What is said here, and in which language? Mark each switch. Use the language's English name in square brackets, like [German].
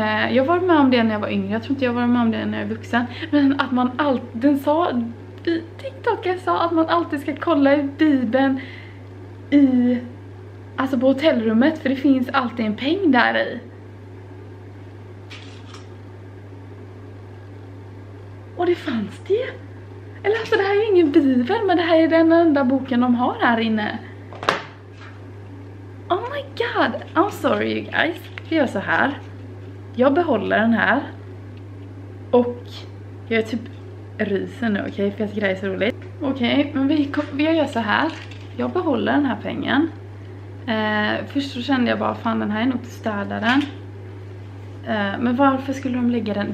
[Swedish] Jag var med om det när jag var yngre, jag tror inte jag var med om det när jag var vuxen. Men att man alltid, den sa, TikToken sa att man alltid ska kolla i bibeln i, alltså på hotellrummet, för det finns alltid en peng där i. Och det fanns det. Eller alltså det här är ingen bibel, men det här är den enda boken de har här inne. [English] Oh my god, I'm sorry you guys. [Swedish] Vi gör så här. Jag behåller den här. Och jag är typ ryser nu, okej? För jag tycker det här är så roligt. Okej, men vi gör så här. Jag behåller den här pengen. Först så kände jag bara, fan, den här är nog till städaren. Men varför skulle de lägga den?